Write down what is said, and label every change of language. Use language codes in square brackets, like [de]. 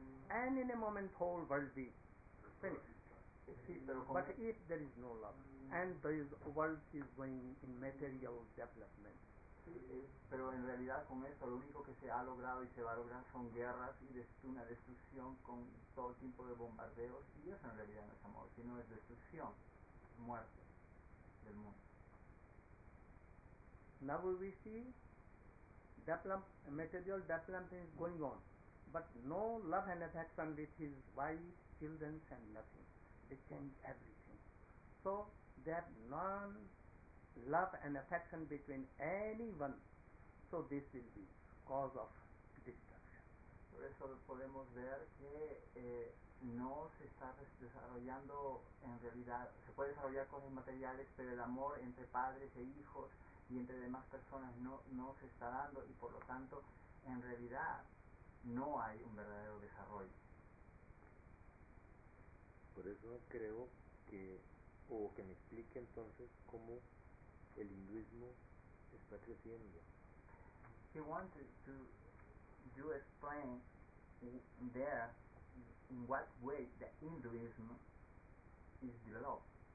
[en] and in a moment whole world be finished. But if there is no love, and the world is going in material development. [es] Pero en realidad con eso lo único que se ha logrado y se va a lograr son guerras y una destrucción con todo tipo de bombardeos, y eso en realidad no es amor, sino es destrucción, muerte del mundo. [en] Now we see material development is going on, but no love and affection with his wife, children, and nothing. They change everything. So there none love and affection between anyone. So this will be cause of destruction. [es] Por eso podemos ver que no se está desarrollando en realidad. Se puede desarrollar cosas materiales, pero el amor entre padres e hijos y entre demás personas no se está dando, y por lo tanto en realidad no hay un verdadero desarrollo. Por eso creo que, o que me explique entonces cómo el hinduismo está creciendo. [en] He wanted to do explain there in what way the Hinduism is developed.